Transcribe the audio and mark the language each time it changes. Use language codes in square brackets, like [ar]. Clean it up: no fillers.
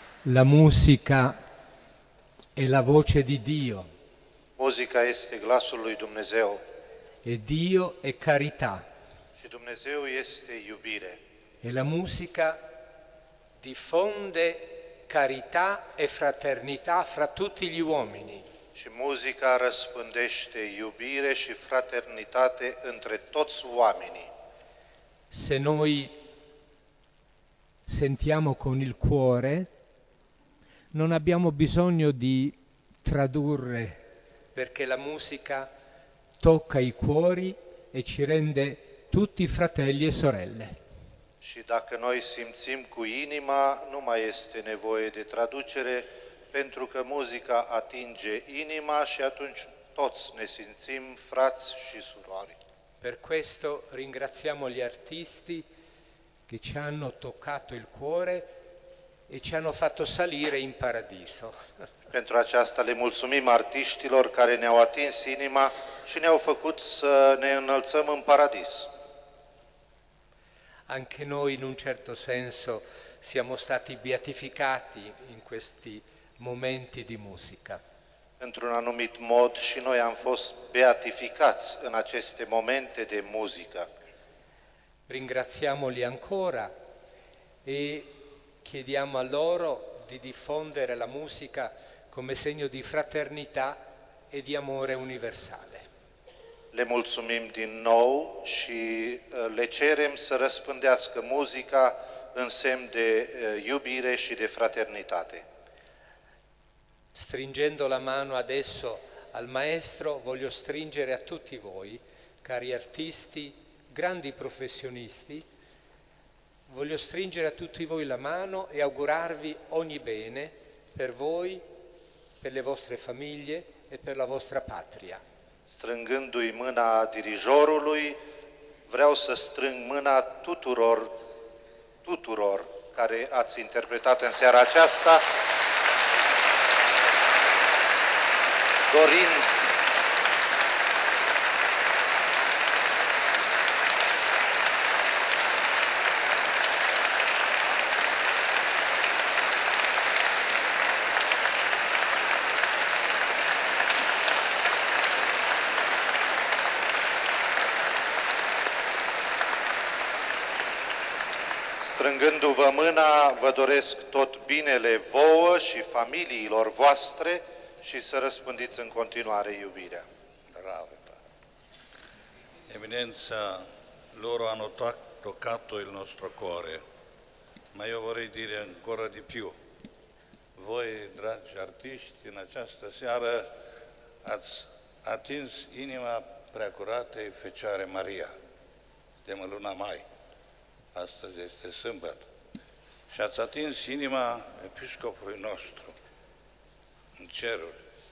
[it] La musica è la voce di Dio. [ro] Musica este glasul lui Dumnezeu. [it] e Dio è carità. [ro] Și Dumnezeu este iubire. [it] E la musica diffonde carità e fraternità fra tutti gli uomini. [ro] Și muzica răspândește iubire și fraternitate între toți oamenii. [it] Se noi sentiamo con il cuore, non abbiamo bisogno di tradurre, perché la musica tocca i cuori e ci rende tutti fratelli e sorelle. [ro] Și dacă noi simțim cu inima, nu mai este nevoie de traducere, pentru că muzica atinge inima și atunci toți ne simțim frați și surori. [it] Per questo ringraziamo gli artisti che ci hanno toccato il cuore e ci hanno fatto salire in paradiso. [ro] Pentru aceasta le mulțumim artiștilor care ne-au atins inima și ne-au făcut să ne înălțăm în paradis. [it] Anche noi in un certo senso siamo stati beatificati in questi momenti di musica. [ro] Într-un anumit mod și noi am fost beatificați în aceste momente de muzică. [it] Ringraziamoli ancora e chiediamo a loro di diffondere la musica come segno di fraternità e di amore universale. [ro] Le mulțumim din nou și le cerem să răspândească muzica în semn de iubire și de fraternitate. [it] Stringendo la mano adesso al maestro, voglio stringere a tutti voi, cari artisti, grandi professionisti, voglio stringere a tutti voi la mano e augurarvi ogni bene per voi, per le vostre famiglie e per la vostra patria. [ro] Strângându-i mâna dirijorului, vreau să strâng mâna tuturor care ați interpretat în seara aceasta, strângându-vă mâna, vă doresc tot binele vouă și familiilor voastre și să răspândiți în continuare iubirea. [it] Bravo. Eminența, loro hanno toccato il nostro cuore, ma io vorrei dire ancora di più. [ro] Voi, dragi artisti, în această seară ați atins inima preacuratei Fecioare Maria. Suntem în luna mai. Astăzi este sâmbătă. Și ați atins inima episcopului nostru în ceruri.